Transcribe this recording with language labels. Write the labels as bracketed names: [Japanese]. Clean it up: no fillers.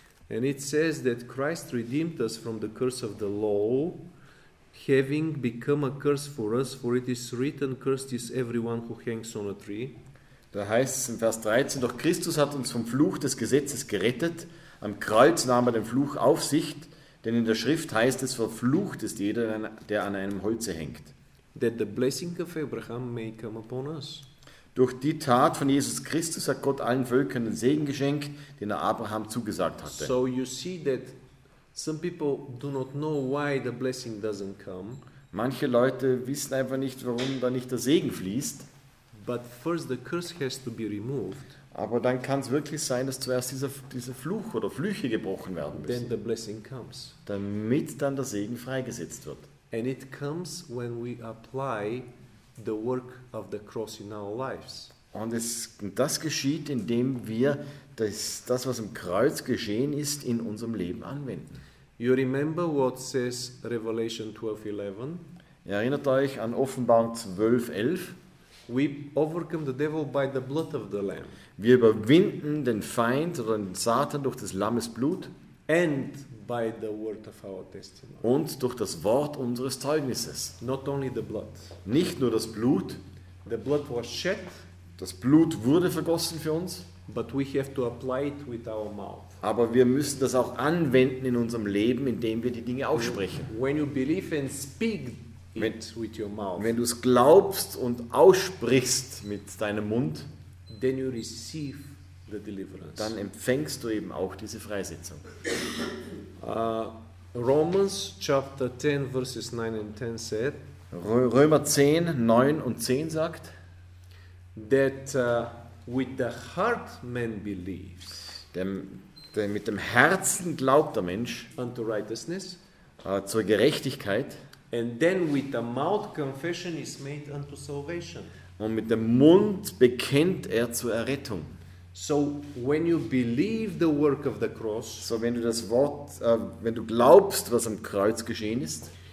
[English] And it says that Christ redeemed us from the curse of the law, having become a curse for us, for it is written, cursed is everyone who hangs on a tree. [German] Da heißt es in Vers 13, doch Christus hat uns vom Fluch des Gesetzes gerettet, am Kreuz nahm er den Fluch auf sich, denn in der Schrift heißt es, verflucht ist jeder, der an einem Holze hängt. [English] That the blessing of Abraham may come upon us. [German] Durch die Tat von Jesus Christus hat Gott allen Völkern den Segen geschenkt, den er Abraham zugesagt hatte. [English] So you see that some people do not know why the blessing doesn't come. [German] Manche Leute wissen einfach nicht, warum da nicht der Segen fließt. [English] But first the curse has to be removed. [German] Aber dann kann es wirklich sein, dass zuerst dieser Fluch oder Flüche gebrochen werden müssen. [English] Then the blessing comes. [German] Damit dann der Segen freigesetzt wird. [English] And it comes when we apply the work of the cross in our lives. [German] Und das geschieht, indem wir das, was am Kreuz geschehen ist, in unserem Leben anwenden. [English] You remember what says Revelation 12:11? [German] Erinnert euch an Offenbarung 12:11? [English] We overcome the devil by the blood of the Lamb. [German] Wir überwinden den Feind oder den Satan durch des Lammes Blut. [English] And by the word of our testimony. [German] Und durch das Wort unseres Zeugnisses. [English] Not only the blood. [German] Nicht nur das Blut. [English] The blood was shed. [German] Das Blut wurde vergossen für uns. [English] But we have to apply it with our mouth. [German] Aber wir müssen das auch anwenden in unserem Leben, indem wir die Dinge aussprechen. [English] When you believe and speak it with your mouth. [German] Wenn du es glaubst und aussprichst mit deinem Mund, [English] then you receive the deliverance. [German] Dann empfängst du eben auch diese Freisetzung. [English] Romans chapter 10 verses 9 and 10 said. [German] Römer 10, 9 und 10 sagt, [English] that with the heart man believes. [German] Mit dem Herzen glaubt der Mensch [English] unto righteousness, [German] zur Gerechtigkeit. [English] And then with the mouth confession is made unto salvation. [German] Und mit dem Mund bekennt er zur Errettung. [English] So when you believe the work of the cross, [German] so wenn du das Wort, wenn du glaubst, was am Kreuz geschehen ist,